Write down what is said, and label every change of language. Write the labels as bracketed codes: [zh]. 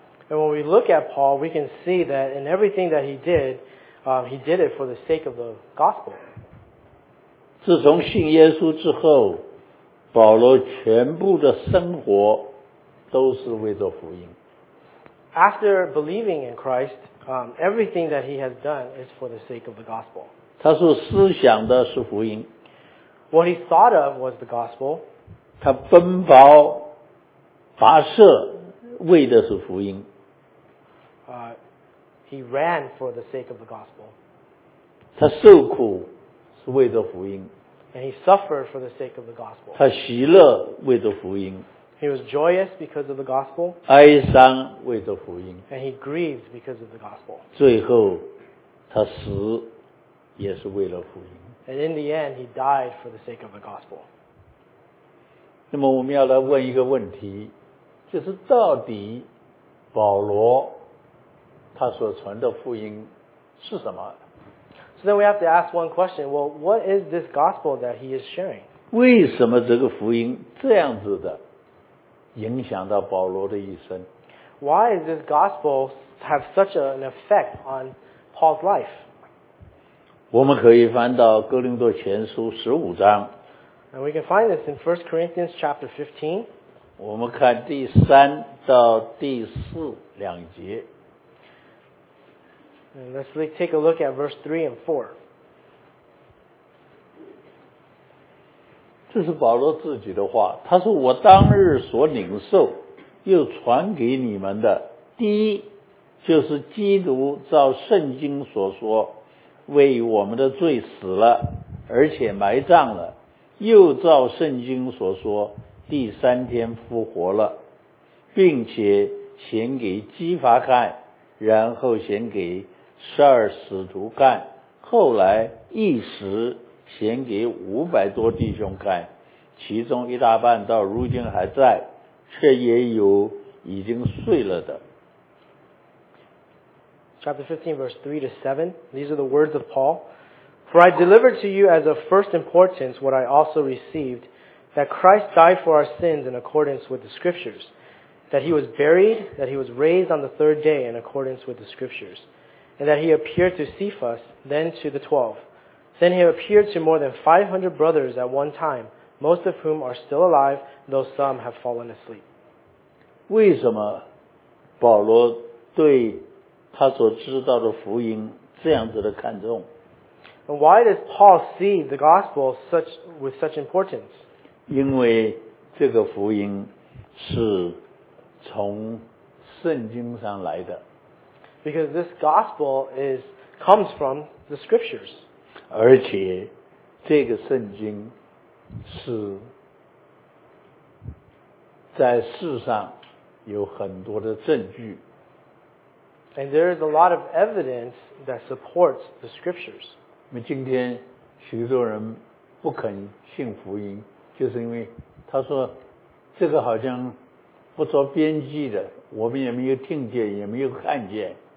[en] And when we look at Paul, we can see that in everything that he did, he did it for the sake of the gospel. [zh] 自从信耶稣之后，保罗全部的生活都是为着福音。 [en] After believing in Christ,everything that he has done is for the sake of the gospel. [zh] 他所思想的是福音。 [en] What he thought of was the gospel. [zh] 他奔跑跋涉为的是福音。 [en] He ran for the sake of the gospel. [zh] 他受苦是为着福音。 [en] And he suffered for the sake of the gospel. [zh] 他喜乐为着福音。 [en] He was joyous because of the gospel. [zh] 哀伤为着福音。 [en] And he grieved because of the gospel. [zh] 最后他死也是为了福音。 [en] And in the end, he died for the sake of the gospel. [zh] 那么我们要来问一个问题，就是到底保罗他所传的福音是什么？ [en] So then we have to ask one question. Well, what is this gospel that he is sharing? [zh] 为什么这个福音这样子的影响到保罗的一生。 [en] Why does this gospel have such an effect on Paul's life? [zh] 我们可以翻到哥林多前书十五章。 [en] And we can find this in 1 Corinthians chapter 15. [zh] 我们看第三到第四两节。 [en] And let's really take a look at verse 3 and 4. [zh] 这是保罗自己的话，他说我当日所领受又传给你们的，第一就是基督照圣经所说为我们的罪死了而且埋葬了，又照圣经所说第三天复活了，并且显给基法看，然后显给十二使徒看，后来一时显给五百多弟兄看，其中一大半到如今还在，却也有已经睡了的。 [en] Chapter 15 verse 3 to 7, these are the words of Paul. For I delivered to you as of first importance what I also received, that Christ died for our sins in accordance with the scriptures, that he was buried, that he was raised on the third day in accordance with the scriptures, and that he appeared to Cephas, then to the 12. Then he appeared to more than 500 brothers at one time, most of whom are still alive, though some have fallen asleep. [zh] 为什么保罗对他所知道的福音这样子的看重。 [en] And why does Paul see the gospel with such importance? [zh] 因为这个福音是从圣经上来的。 [en] Because this gospel comes from the scriptures. [zh] 而且这个圣经是在世上有很多的证据。 [en] And there is a lot of evidence that supports the scriptures. [zh] 今天许多人不肯信福音，就是因为他说这个好像不着边际的，我们也没有听见，也没有看见。